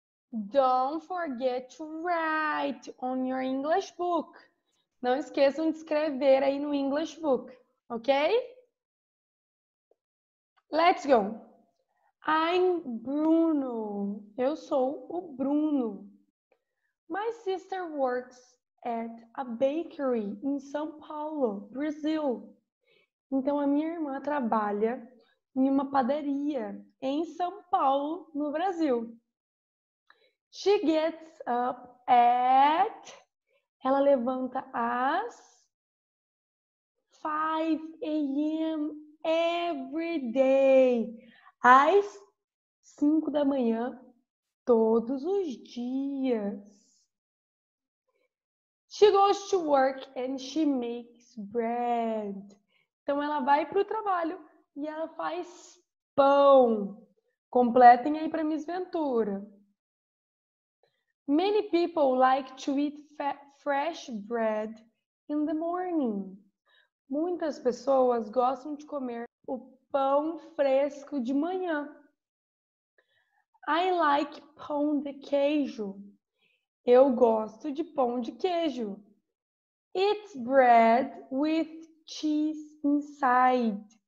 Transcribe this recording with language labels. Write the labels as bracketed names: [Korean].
[English] Don't forget to write on your English book. [Portuguese] Não esqueçam de escrever aí no English book, ok? [English] Let's go. I'm Bruno. [Portuguese] Eu sou o Bruno. [English] My sister works at a bakery in São Paulo, Brazil. [Portuguese] Então, a minha irmã trabalha em uma padaria em São Paulo, no Brasil. [English] She gets up at... [Portuguese] Ela levanta às 5 a.m. [English] every day. [Portuguese] Às 5 da manhã, todos os dias. [English] She goes to work and she makes bread. [Portuguese] Então, ela vai para o trabalho e ela faz pão. Completem aí para Miss Ventura. [English] Many people like to eat fresh bread in the morning. [Portuguese] Muitas pessoas gostam de comer o pão fresco de manhã. [English] I like [Portuguese] pão de queijo. Eu gosto de pão de queijo. [English] It's bread with cheese inside.